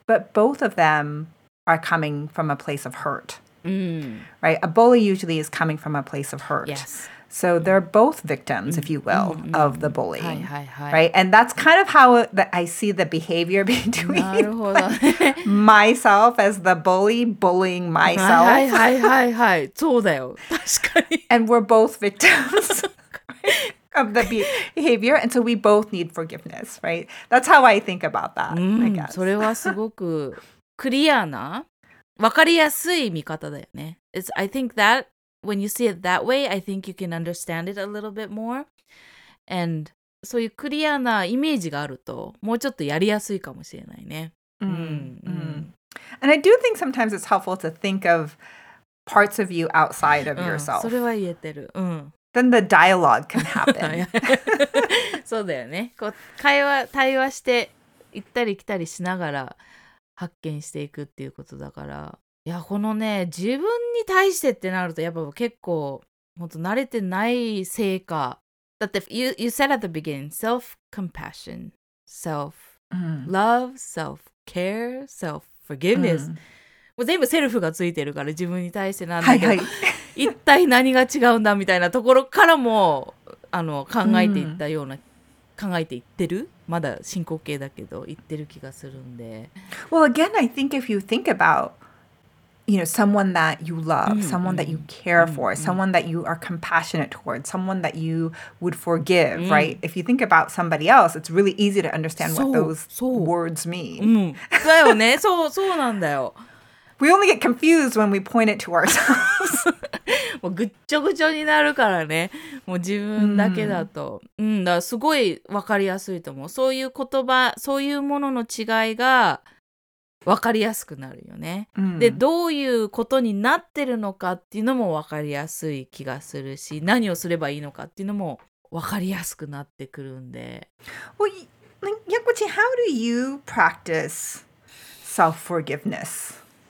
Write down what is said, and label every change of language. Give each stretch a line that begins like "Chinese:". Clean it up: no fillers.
English: but both of them are coming from a place of hurt、 mm. right a bully usually is coming from a place of hurt、 yes. so、mm. they're both victims、mm. if you will、mm-hmm. of the bully、
Japanese: はいはいはい、
English: right and that's kind of how I see the behavior between like, myself as the bully bullying myself
Japanese: はいはいはいはい、そうだよ、確かに、
English: and we're both victims of the behavior, and so we both need forgiveness, right? That's how I think about that, I guess.
Japanese: それはすごくクリアな、わかりやすい見方だよね。
English: It's, I think that, when you see it that way, I think you can understand it a little bit more. And
Japanese: そういうクリアなイメージがあると、もうちょっとやりやすいかもしれないね。
English: And I do think sometimes it's helpful to think of parts of you outside of yourself.
Japanese: それは言えてる。うん。
English: Then the dialogue can happen.
Japanese: そうだよね。こう会話、対話して行ったり来たりしながら発見していくっていうことだから。いや、このね、自分に対してってなるとやっぱ結構本当慣れてないせいか。だって
English: you said at the beginning, self-compassion, self-love, self-care, self-forgiveness.、
Japanese: うん、もう全部セルフがついてるから自分に対してなんだけど、はいはい、一体何が違うんだみたいなところからも考えていったような、うん、考えていってる、まだ進行形だけど言ってる気がするんで。
English: Well again I think if you think about you know someone that you love、うん、someone that you care、うん、for、うん、someone that you are compassionate towards someone that you would forgive、うん、right if you think about somebody else it's really easy to understand what those words mean、
Japanese: うん、だよねそうなんだよ。
English: We only get confused when we point it to ourselves.
Japanese: もうぐっちょぐちょになるからね。もう自分だけだと。うん、だからすごい分かりやすいと思う。そういう言葉、そういうものの違いが分かりやすくなるよね。で、どういうことになってるのかっていうのも分かりやすい気がするし、何をすればいいのかっていうのも分かりやすくなってくるんで。
English: Well, Yakuchi, how do you practice self-forgiveness?